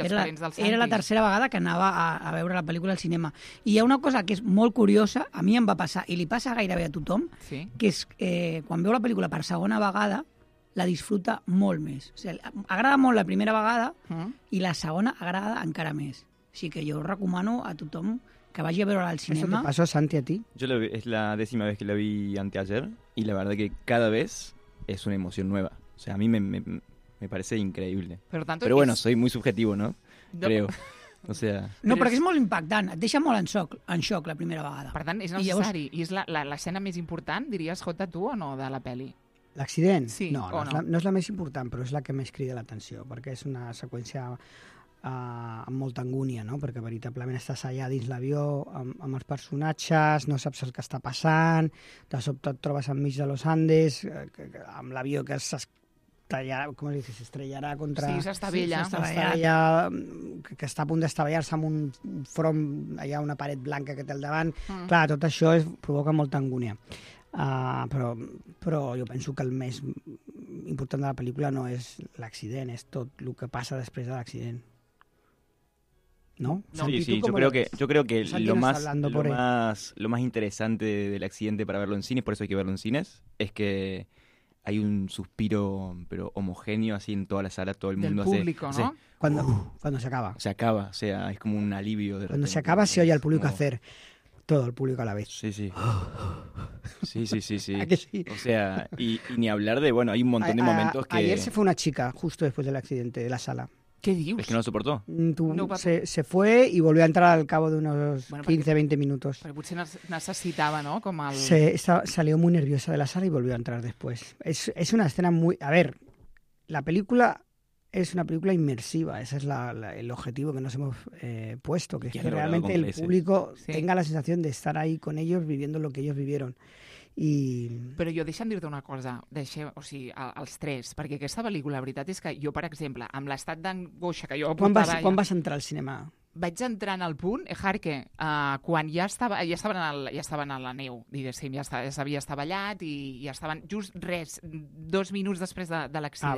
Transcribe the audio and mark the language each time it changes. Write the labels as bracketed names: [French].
[Catalan] era la tercera vegada que anava a veure la pel·lícula al cinema. I hi ha una cosa que és molt curiosa, a mi em va passar, i li passa gairebé a tothom, que és quan veu la pel·lícula per segona vegada, la disfruta molt més. O sigui, agrada molt la primera vegada, i la segona agrada encara més. O sigui que jo recomano a tothom... [Spanish] Que vaya a verlo al cinema. ¿Eso te pasó, Santi, a ti? Yo lo vi, es la décima vez que la vi anteayer y la verdad que cada vez es una emoción nueva. O sea, a mí me parece increíble. Pero bueno, soy muy subjetivo, ¿no? Creo. O sea... [Catalan] No, perquè és molt impactant. Et deixa molt en xoc la primera vegada. Per tant, és necessari. I és l'escena més important, diries, Jota, tu o no, de la peli? L'accident? Sí, no, no és la més important, però és la que més crida l'atenció, perquè és una seqüència... amb molta angúnia, no? Perquè veritablement estàs allà dins l'avió amb els personatges, no saps el que està passant, de sobte et trobes enmig de los Andes, amb l'avió que s'estrellarà contra... Sí, s'estavella. Sí, s'estavella, que està a punt d'estavellar-se amb un front, allà una paret blanca que té al davant. Mm. Clar, tot això provoca molta angúnia. Però jo penso que el més important de la pel·lícula no és l'accident, és tot el que passa després de l'accident. [Spanish] ¿No? Sí, sí, yo creo que lo más interesante del accidente para verlo en cines, por eso hay que verlo en cines, es que hay un suspiro pero homogéneo así en toda la sala, todo el mundo hace. Del público, ¿no? Cuando se acaba. Se acaba, o sea, es como un alivio de cuando se acaba se oye al público hacer todo el público a la vez. Sí, sí. Sí, sí, sí, sí. ¿A que sí? O sea, y ni hablar de, bueno, hay un montón de momentos que ayer se fue una chica justo después del accidente de la sala. [Catalan] ¿Qué dius? [Spanish] Es que no lo soportó. Se fue y volvió a entrar al cabo de unos 15-20 minutos. [Catalan] Pero potser necessitava, ¿no? Com el... [Spanish] Salió muy nerviosa de la sala y volvió a entrar después. Es una escena muy... A ver, la película es una película inmersiva. Ese es el objetivo que nos hemos puesto. Que es que realmente el público tenga la sensación de estar ahí con ellos viviendo lo que ellos vivieron. [Catalan] Però jo deixa'm dir-te una cosa, els tres, perquè aquesta pel·lícula, la veritat és que jo, per exemple, amb l'estat d'angoixa que jo portava... Quan vas entrar al cinema? Vaig entrar en el punt, Jarque, quan ja estaven a la neu, diguéssim, ja s'havia estavellat i ja estaven just res, 2 minuts després de l'accident.